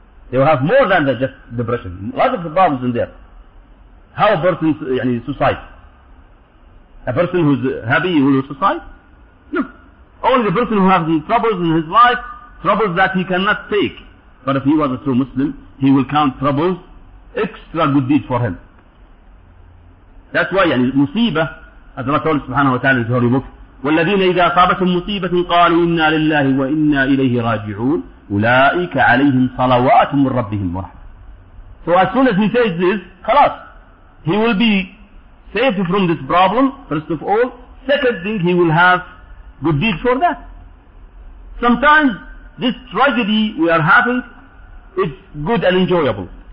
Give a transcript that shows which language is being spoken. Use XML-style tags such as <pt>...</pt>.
<en>They will have more than just depression. Lots of problems in there. How a person, yani, suicide? A person who's happy will suicide? No. Only the person who has the troubles in his life, troubles that he cannot take. But if he was a true Muslim, he will count troubles extra good deed for him. That's why,</en> <ar>يعني مصيبة,</ar> <en>as Allah told</en> <ar>سبحانه وتعالى</ar> <en>in the Holy Book,</en> <ar>والذين إذا أصابتهم مصيبة قالوا إنا لله وإنا إليه راجعون أولئك عليهم صلوات من ربهم ورحمة.</ar> <en>So as soon as he says this, خلاص, he will be saved from this problem, first of all. Second thing, he will have good deed for that. Sometimes this tragedy we are having, it's good and enjoyable.</en>